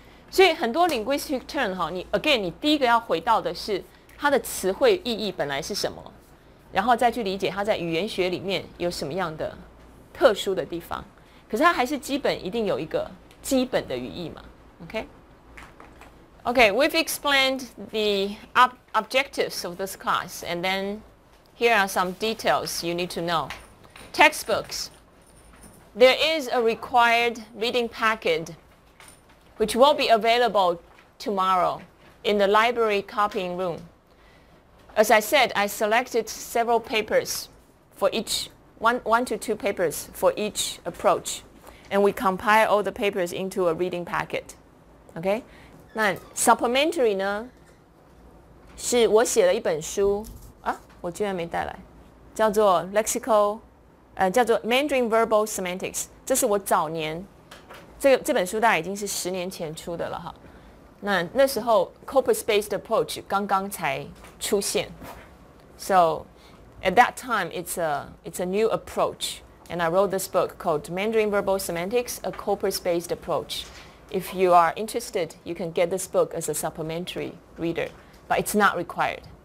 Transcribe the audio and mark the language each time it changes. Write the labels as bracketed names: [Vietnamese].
[Chinese] 所以很多 linguistic term 哈，你 again 你第一个要回到的是它的词汇意义本来是什么，然后再去理解它在语言学里面有什么样的特殊的地方。可是它还是基本一定有一个基本的语义嘛。 [English] Okay, we've explained the objectives of this class, and then here are some details you need to know. Textbooks. There is a required reading packet, which will be available tomorrow in the library copying room. As I said, I selected several papers for each, one to two papers for each approach, and we compile all the papers into a reading packet. [Chinese] OK， 那 supplementary 呢？是我写了一本书啊，我居然没带来，叫做 Lexical， 叫做 Mandarin Verbal Semantics。这是我早年这本书大概已经是十年前出的了哈。那时候 corpus-based approach 刚刚才出现 [English] ，so at that time it's a new approach， and I wrote this book called Mandarin Verbal Semantics: A Corpus-based Approach. If you are interested, you can get this book as a supplementary reader, but it's not required.